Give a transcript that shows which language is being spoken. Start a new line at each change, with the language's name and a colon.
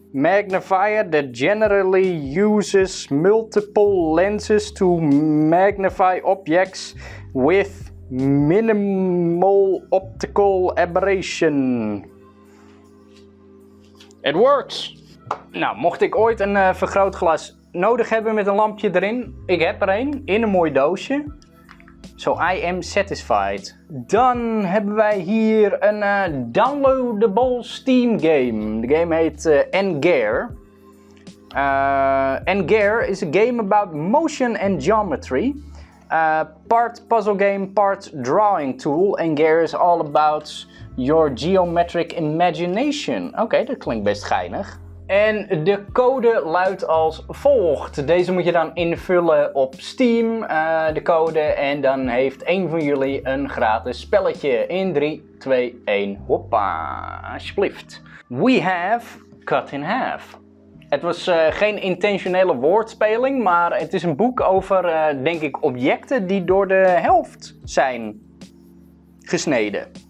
English: Magnifier that generally uses multiple lenses to magnify objects with minimal optical aberration. It works!
Dutch: Nou, mocht ik ooit een vergrootglas nodig hebben met een lampje erin, ik heb er een in een mooi doosje. So I am satisfied. Dan hebben wij hier een downloadable Steam game. De game heet N-Gear.
English: N-Gear is a game about motion and geometry. Part puzzle game, part drawing tool. N-Gear is all about your geometric imagination.
Dutch: Oké, dat klinkt best geinig. En de code luidt als volgt. Deze moet je dan invullen op Steam, de code. En dan heeft één van jullie een gratis spelletje. In 3, 2, 1, hoppa, alsjeblieft.
English: We have cut in half.
Dutch: Het was geen intentionele woordspeling, maar het is een boek over, denk ik, objecten die door de helft zijn gesneden.